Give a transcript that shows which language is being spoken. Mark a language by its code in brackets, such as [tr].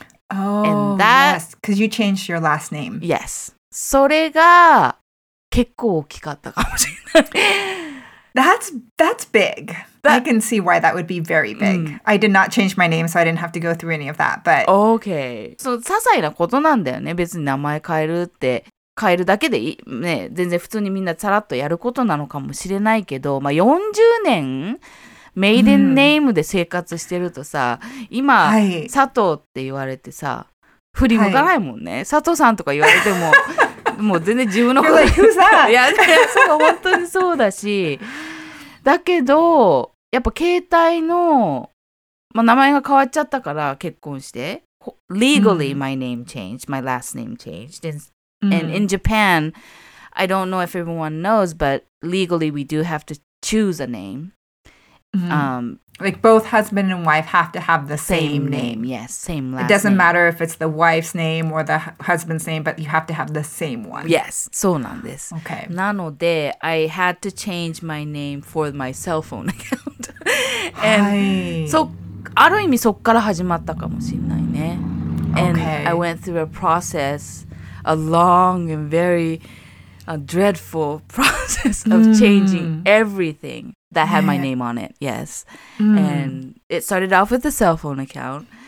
[en] Oh, and that, yes, because you changed your last name. Yes. [ja] それが結構大きかったかもしれない。 [en] That's big. That, I can see why that would be very big. Mm. I did not change my name, so I didn't have to go through any of that. But okay. [ja] So, 些細なことなんだよね。別に名前変えるって変えるだけでいい、ね、全然普通にみんなさらっとやることなのかもしれないけど、まあ、40年メイデンネームで生活してるとさ、mm. 今、佐藤って言われてさ、振り向かないもんね。佐藤さんとか言われても、もう全然自分のこと。 [en] Like, who's that? [ja] いや、そう、本当にそうだし。だけど、やっぱ携帯の、まあ、名前が変わっちゃったから結婚して。 [en] Legally,、mm. my name changed, my last name changed. And,、mm. and in Japan, I don't know if everyone knows, but legally we do have to choose a name. Mm-hmm. Like both husband and wife have to have the same name. Yes, same last name. It doesn't matter if it's the wife's name or the husband's name, but you have to have the same one. Yes, [ja] そうなんです。 [en] Okay. [ja] なので、 [en] I had to change my name for my cell phone account. And [ja] so, ある意味そっから始まったかもしれないね。 [en] And I went through a process, a long and very dreadful process of changing everything. That had my name on it, yes.、Mm. And it started off with a cell phone account.